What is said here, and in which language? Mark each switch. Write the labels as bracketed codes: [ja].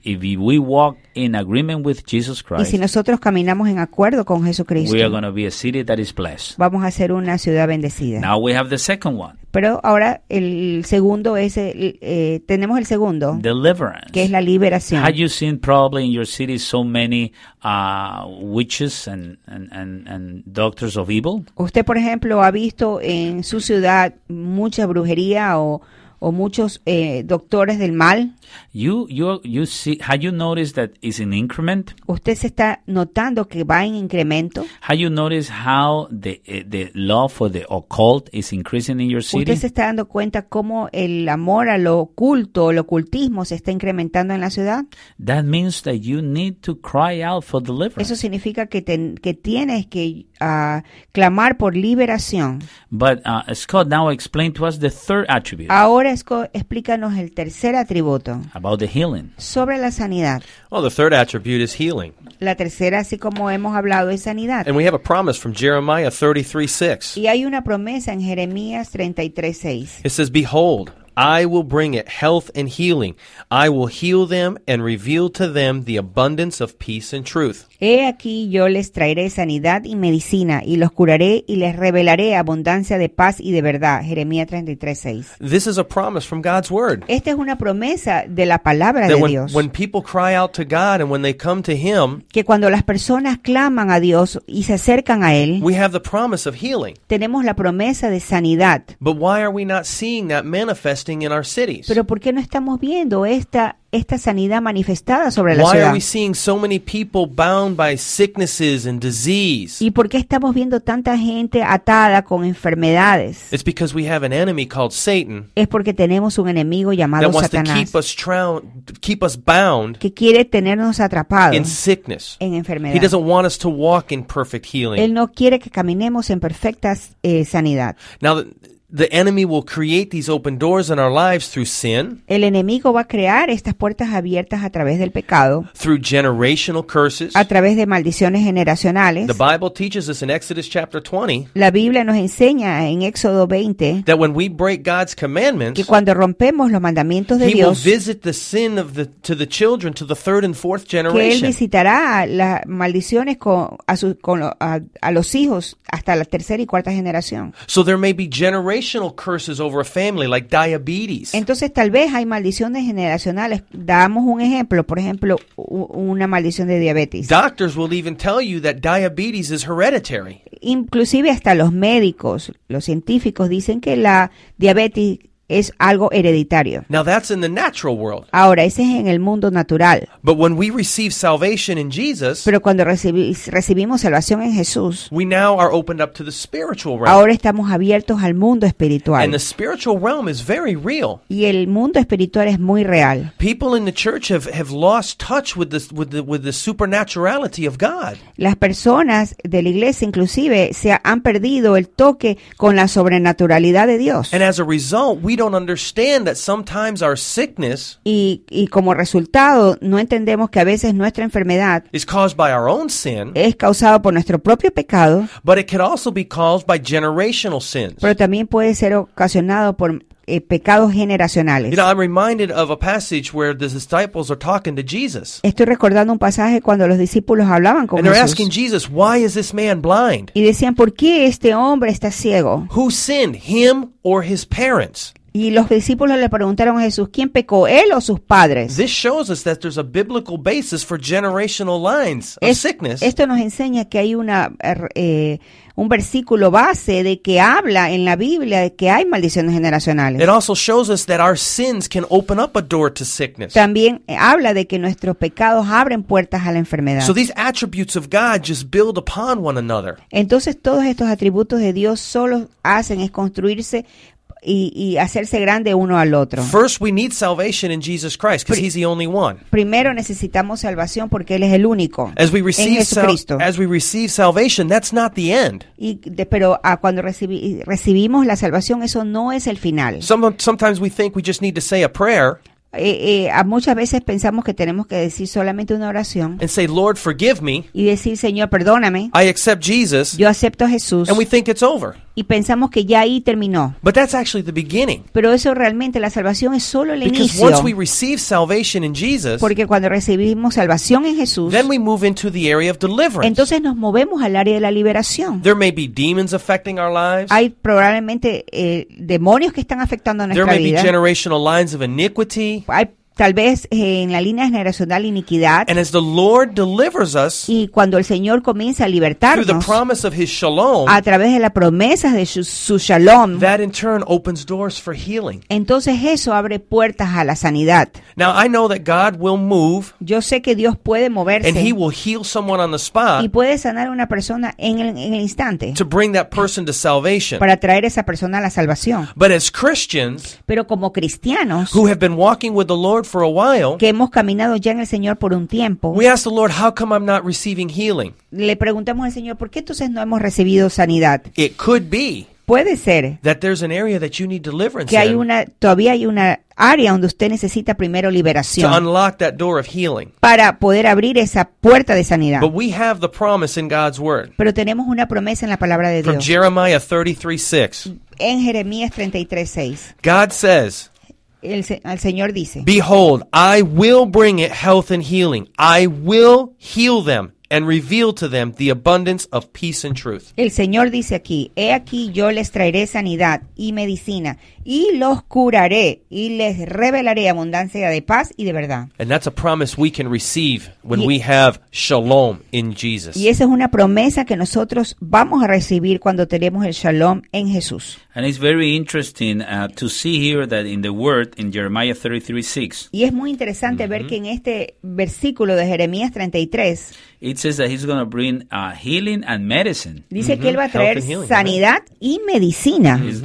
[en] If we walk in agreement with Jesus Christ, [es] y si nosotros caminamos en acuerdo con Jesucristo, [en] we are going to be a city that is blessed. [es] Vamos a ser una ciudad bendecida. [en] Now we have the second one. [es] Pero ahora el segundo es tenemos el segundo, [en] deliverance, [es] que es la liberación. [en] Have you seen probably in your city so many witches and doctors of evil? [es] ¿Usted por ejemplo ha visto en su ciudad mucha brujería o o muchos doctores del mal. [en] You see, have you noticed that it's in increment? [es] ¿Usted se está notando que va en incremento? [en] Have you noticed how the love for the occult is increasing in your city? [es] ¿Usted se está dando cuenta cómo el amor a lo oculto, el ocultismo se está incrementando en la ciudad? [en] That means that you need to cry out for deliverance. [es] Eso significa que tienes que clamar por liberación. [en] But Scott, now explain to us the third attribute. [es] Ahora, Scott, explícanos el tercer atributo. [en] About the healing. [es] Sobre la sanidad. [en] Well, the third attribute is healing. [es] La tercera, así como hemos hablado, es sanidad. [en] And we have a promise from Jeremiah 33:6. [es] Y hay una promesa en Jeremías 33:6. [en] It says, "Behold, I will bring it health and healing. I will heal them and reveal to them the abundance of peace and truth." [es] He aquí, yo les traeré sanidad y medicina, y los curaré y les revelaré abundancia de paz y de verdad. Jeremías 33:6. [en] This is a promise from God's word. [es] Esta es una promesa de la palabra [en] that when, [es] Dios. [en] When people cry out to God and when they come to Him, [es] que cuando las personas claman a Dios y se acercan a Él, [en] we have the promise of healing. [es] Tenemos la promesa de sanidad. [en] But why are we not seeing that manifest in our cities? [es] Pero ¿por qué no estamos viendo esta sanidad manifestada sobre la [en] Why [es] ciudad? [en] Are we seeing so many people bound by sicknesses and disease? [es] ¿Y por qué estamos viendo tanta gente atada con enfermedades? [en] It's because we have an enemy called Satan. [es] Es porque tenemos un enemigo llamado [en] that [es] Satanás. [en] Wants to keep us bound. [es] Que quiere tenernos atrapados. [en] In sickness. [es] En enfermedad. [en] He doesn't want us to walk in perfect healing. [es] Él no quiere que caminemos en perfecta sanidad. [en] Now the enemy will create these open doors in our lives through sin. [es] El enemigo va a crear estas puertas abiertas a través del pecado. [en] Through generational curses. [es] A través de maldiciones generacionales. [en] The Bible teaches us in Exodus chapter 20. [es] La Biblia nos enseña en Éxodo 20. [en] That when we break God's commandments. [es] Que cuando rompemos los mandamientos de Dios. [en] He will visit the sin of the children to the third and fourth generation. [es] Que él visitará las maldiciones a los hijos hasta la tercera y cuarta generación. [en] So there may be generational curses over a family like diabetes. [es] Entonces tal vez hay maldiciones generacionales. Damos un ejemplo, por ejemplo, una maldición de diabetes. [en] Doctors will even tell you that diabetes is hereditary. [es] Inclusive hasta los médicos, los científicos dicen que la diabetes es algo hereditario. [en] Now that's in the natural world. [es] Ahora, ese es en el mundo natural. [en] But when we receive salvation in Jesus, [es] pero cuando recibimos salvación en Jesús, [en] we now are opened up to the spiritual realm. [es] Ahora estamos abiertos al mundo espiritual. [en] And the spiritual realm is very real. [es] Y el mundo espiritual es muy real. [en] People in the church have lost touch with the supernaturality of God. [es] Las personas de la iglesia inclusive se han perdido el toque con la sobrenaturalidad de Dios. [en] And as a result, we don't understand that sometimes our sickness [es] y como resultado no entendemos que a veces nuestra enfermedad [en] is caused by our own sin, [es] es causado por nuestro propio pecado, [en] but it could also be caused by generational sins, [es] pero también puede ser ocasionado por pecados generacionales. [en] You know, I'm reminded of a passage where the disciples are talking to Jesus. [es] Estoy recordando un pasaje cuando los discípulos hablaban con Jesús. [en] And they're asking Jesus, "Why is this man blind?" [es] Y decían, "¿Por qué este hombre está ciego?" [en] Who sinned, him or his parents? [es] Y los discípulos le preguntaron a Jesús, ¿quién pecó, él o sus padres? [en] This shows us that there's a biblical basis for generational lines of sickness. [es] Esto nos enseña que hay un versículo base de que habla en la Biblia de que hay maldiciones generacionales. [en] It also shows us that our sins can open up a door to sickness. [es] También habla de que nuestros pecados abren puertas a la enfermedad. [en] So these attributes of God just build upon one another. [es] Entonces todos estos atributos de Dios solo hacen es construirse y hacerse grande uno al otro. [en] First we need salvation in Jesus Christ because he's the only one. [es] Primero necesitamos salvación porque él es el único. [en] As we receive salvation, that's not the end. [es] Pero cuando recibimos la salvación, eso no es el final. [en] Sometimes we think we just need to say a prayer. [es] Muchas veces pensamos que tenemos que decir solamente una oración. [en] And say, "Lord, forgive me." [es] Y decir, "Señor, perdóname." [en] I accept Jesus. [es] Yo acepto a Jesús. [en] And we think it's over. [es] Y pensamos que ya ahí terminó. [en] But that's actually the beginning. [es] Pero eso realmente, la salvación es solo el [en] Because [es] inicio. [en] Once we receive salvation in Jesus, [es] porque cuando recibimos salvación en Jesús, [en] then we move into the area of deliverance. [es] Entonces nos movemos al área de la liberación. [en] There may be demons affecting our lives. [es] Hay probablemente demonios que están afectando nuestra [en] There may [es] vida. [en] Be generational lines of iniquity. [es] Hay tal vez en la línea generacional iniquidad. [en] And as the Lord delivers us, [es] y cuando el Señor comienza a libertarnos [en] through the promise of his shalom, [es] a través de la promesa de su shalom, [en] that in turn opens doors for healing. [es] Entonces eso abre puertas a la sanidad. [en] Now, I know that God will move, [es] yo sé que Dios puede moverse, [en] and he will heal someone on the spot, [es] y puede sanar a una persona en el instante, [en] to bring that person to salvation, [es] para traer a esa persona a la salvación. [en] But as Christians, [es] pero como cristianos, [en] who have been walking with the Lord for a while, [es] que hemos caminado ya en el Señor por un tiempo, [en] we ask the Lord, how come I'm not receiving healing? [es] Le preguntamos al Señor, ¿por qué entonces no hemos recibido sanidad? [en] It could be, [es] puede ser, [en] that there's an area that you need deliverance [es] que hay una, todavía hay una área donde usted necesita primero liberación, [en] to unlock that door of healing, [es] para poder abrir esa puerta de sanidad. [en] But we have the promise in God's word, [es] pero tenemos una promesa en la palabra de Dios. [en] From Jeremiah 33:6. [es] En Jeremías 33:6. [en] God says, [es] el Señor dice, [en] behold, I will bring it health and healing. I will heal them and reveal to them the abundance of peace and truth. [es] El Señor dice aquí, he aquí yo les traeré sanidad y medicina, y los curaré, y les revelaré abundancia de paz y de verdad. [en] And that's a promise we can receive when we have shalom in Jesus. [es] Y esa es una promesa que nosotros vamos a recibir cuando tenemos el shalom en Jesús. [en] And it's very interesting to see here that in the word in Jeremiah 33:6. [es] Y es muy interesante ver que en este versículo de Jeremías 33, [en] it says that he's going to bring healing and medicine. [es] Dice que él va a traer sanidad y medicina.